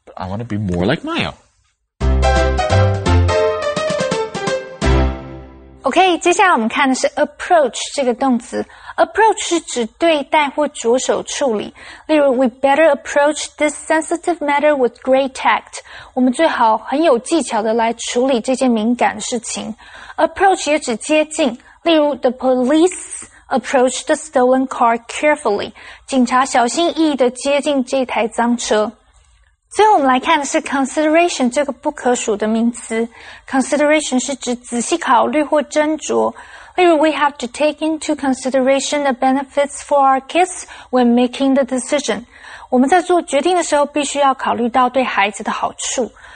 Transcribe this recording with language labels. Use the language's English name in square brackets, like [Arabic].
[English] I want to be more like Maya. [Chinese] OK, 接下来我们看的是 approach 这个动词。Approach 是指对待或着手处理。例如 [English] ,we better approach this sensitive matter with great tact. [Chinese] 我们最好很有技巧的来处理这件敏感事情。 Approach 也指接近。例如 [English] ,the police approached the stolen car carefully. [Chinese] 警察小心翼翼地接近这台赃车。最后我们来看的是 consideration 这个不可数的名词。 Consideration 是指仔细考虑或斟酌。例如 [English] ,we have to take into consideration the benefits for our kids when making the decision. [Chinese] 我们在做决定的时候必须要考虑到对孩子的好处。